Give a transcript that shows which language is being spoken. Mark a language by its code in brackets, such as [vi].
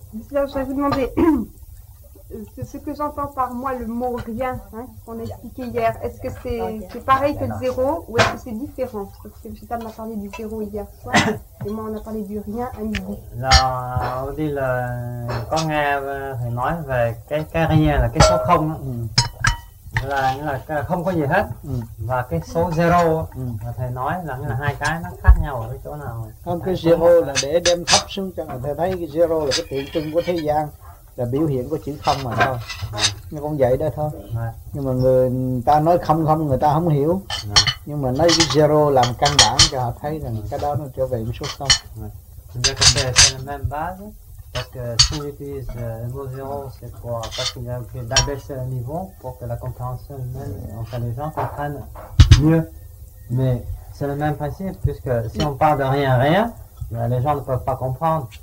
[fr] Là, je vais vous demander ce que j'entends par moi, le mot rien, hein, qu'on a expliqué hier, est-ce que c'est pareil que le zéro ou est-ce que c'est différent? Parce que Gita m'a parlé du zéro hier soir et moi on a parlé du rien à midi. Là, on dit le. [vi] Quand nghe, thì nói về cái rien, là cái số không. Là không có gì hết. Và cái số zéro, thầy nói là hai cái nó khác nhau ở cái chỗ nào. Không, cái zero là để đem thấp xuống cho thầy thấy cái zero là cái tượng trưng của thế gian. Là biểu hiện của chữ không mà thôi, nhưng cũng vậy đó thôi. Nhưng mà người ta nói không không người ta không hiểu, nhưng mà nói cái zero làm căn bản cho họ thấy rằng cái đó nó trở về một số không. Chúng ta có thể xem là [fr] Parce que si on utilise le mot zéro, c'est pour, parce qu'il y a d'abaisser le niveau pour que la compréhension humaine, enfin les gens comprennent mieux. Mais c'est le même principe, puisque si on parle de rien, rien, ben les gens ne peuvent pas comprendre.